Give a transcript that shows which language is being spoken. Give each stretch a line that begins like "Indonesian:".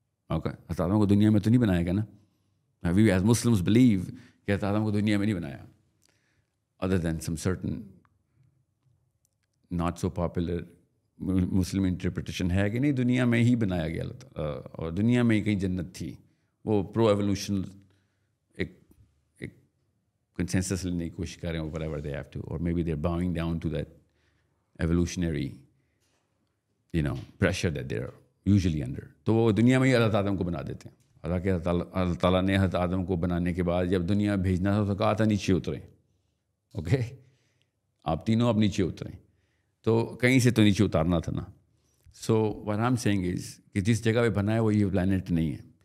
Urdu: Okay حضرت آدم کو دنیا میں تو نہیں بنایا گیا نا.
English: we as Muslim believe
Urdu: کہ حضرت آدم کو دنیا میں نہیں بنایا
English: other than some certain not so popular Muslim interpretation
Urdu: ہے کہ نہیں دنیا میں ہی بنایا گیا اللہ تعالیٰ اور دنیا میں ہی کہیں جنت تھی.
English: وہ pro evolution consensus
Urdu: لینے کی کوشش کر رہے ہیں
English: What ever they have to اور may be they are باؤنگ down to that evolutionary you know pressure that they are usually under.
Urdu: تو وہ دنیا میں ہی اللہ تعالیٰ کو بنا دیتے ہیں. حالانکہ اللہ تعالیٰ نے حضرت آدم کو بنانے کے بعد جب دنیا بھیجنا تھا تو کہا تھا نیچے اتریں. اوکے آپ تینوں اب نیچے اتریں تو کہیں سے تو نیچے اتارنا تھا نا.
English: so what I am seeing is
Urdu: کہ جس جگہ پہ بنایا وہ یہ پلانٹ نہیں ہے.